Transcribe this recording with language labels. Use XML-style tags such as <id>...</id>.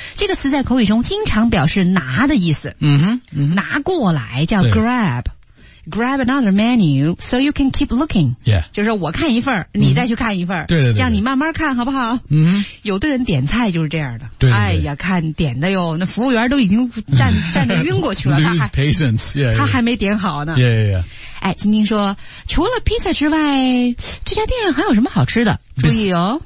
<zh>这个词在口语中经常表示拿的意思。拿过来叫 grab.</zh> <en>Grab another menu so you can keep looking. Yeah.</en> <zh>就是我看一份你再去看一份对对对。这样你慢慢看好不好有的人点菜就是这样的。对。哎呀看点的哟那服务员都已经站得晕过去了。</zh> <en>Lose patience, yeah.</en> <zh>他还没点好呢。</zh> <en>Yeah, yeah, yeah.</en> <zh>哎晶晶说除了 pizza 之外这家店还有什么好吃的注意哦。</zh>